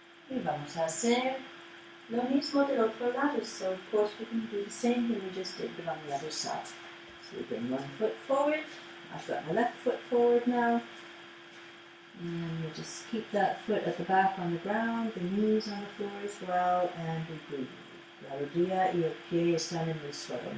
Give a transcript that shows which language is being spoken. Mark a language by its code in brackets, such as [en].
[es] Y vamos a hacer lo mismo del otro lado. [en] So, of course, we can do the same thing we just did, but on the other side. So, we bring one foot forward. I've got my left foot forward now. And we just keep that foot at the back on the ground, the knees on the floor as well, and we breathe. [es] La rodilla y el pie están en el suelo.